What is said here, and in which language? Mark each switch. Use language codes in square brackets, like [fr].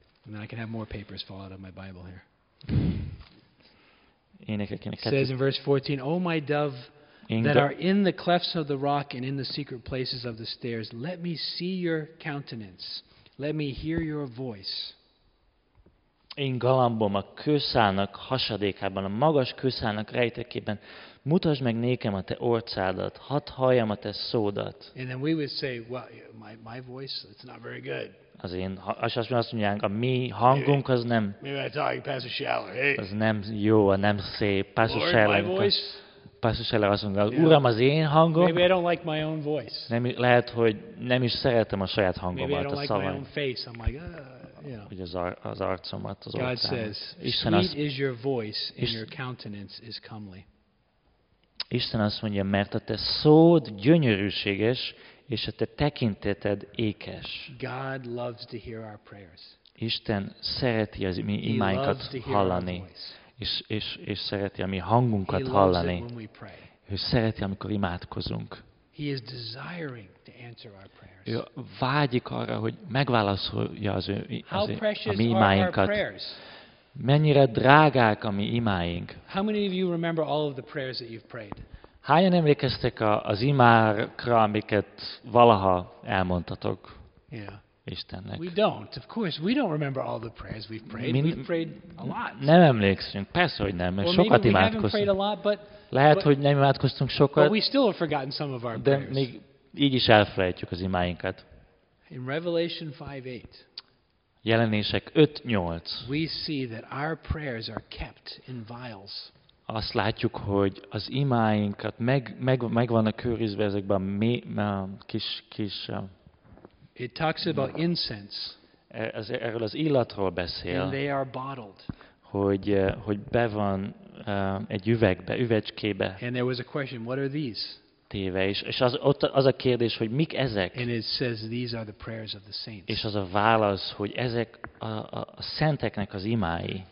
[en] And then I can have more papers fall out of my Bible here. It says in verse 14, O my dove that are in the clefts of the rock and in the secret places of the stairs, let me see your countenance. Let me hear your voice. [hu] Én galambom a kőszálnak hasadékában, a magas kőszálnak rejtekében. Mutasd meg nékem a te orcádat, hadd halljam a te szódat. [en] And then we would say, well, my voice, it's not very good. [hu] Az én, azt mondják, a mi hangunk az nem. [en] Maybe I talk, Pastor Schaller, hey. [hu] Az nem jó, a nem szép. Pastor [en] Schaller, my voice. [hu] Pastor Schaller azt mondja, Uram, az én hangom. [en] Maybe I don't like my own voice. [hu] Nem, lehet, hogy nem is szeretem a saját hangomat, [en] maybe I don't [hu] a szavam. [en] Like my own face. I'm like, [hu] hogy az arcomat, az orcán. [en] God says, sweet is your voice and your countenance is comely. [hu] Isten azt mondja, mert a te szód gyönyörűséges, és a te tekinteted ékes. [en] God loves to hear our prayers. [hu] Isten szereti az mi imáinkat hallani, és szereti a mi hangunkat hallani. Ő szereti, amikor imádkozunk. [en] He is desiring to answer our prayers. [hu] Ő vágyik arra, hogy megválaszolja a mi imáinkat. Mennyire drágák a mi imáink. [en] How many of you remember all of the prayers that you've prayed? [hu] Hányan emlékeztek az imákra, amiket valaha elmondtatok Istennek? [en] We don't. Of course, we don't remember all the prayers we've prayed. We've prayed a lot. [hu] Nem emlékszünk. Persze, hogy nem. Mert sokat imádkoztunk. Lehet, hogy nem imádkoztunk sokat. [en] But we still have forgotten some of our prayers. [hu] De még így is elfelejtjük az imáinkat. [en] In Revelation 5:8. [hu] Jelenések 5:8. [en] We see that our prayers are kept in vials. [hu] Azt látjuk, hogy az imáinkat meg vannak őrizve ezekben kis. [en] It talks about incense. [hu] Erről az illatról beszél. [en] And they are bottled. [hu] Hogy be van egy üvegbe, üvecskébe. [en] And there was a question, what are these? [hu] téve is. És az, ott az a kérdés, hogy mik ezek? [en] And it says these are the prayers of the saints. [hu] És az a válasz, hogy ezek a szenteknek az imái.